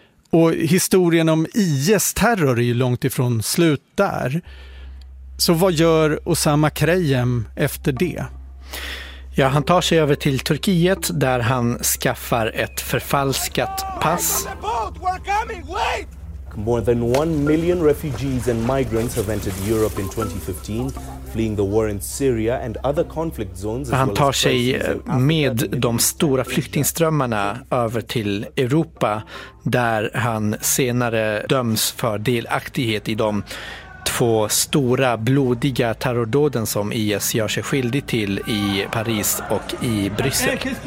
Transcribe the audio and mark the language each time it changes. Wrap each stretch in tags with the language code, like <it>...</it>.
<sv>Och historien om IS-terror är ju långt ifrån slut där. Så vad gör Osama Krajem efter det? Ja, han tar sig över till Turkiet där han skaffar ett förfalskat pass.</sv> <en>More than 1 million refugees and migrants have entered Europe in 2015, fleeing the war in Syria and other conflict zones.</en> <sv>Han tar sig med de stora flyktingströmmarna över till Europa där han senare döms för delaktighet i de två stora blodiga terrordåden som IS gör sig skyldig till i Paris och i Bryssel.</sv>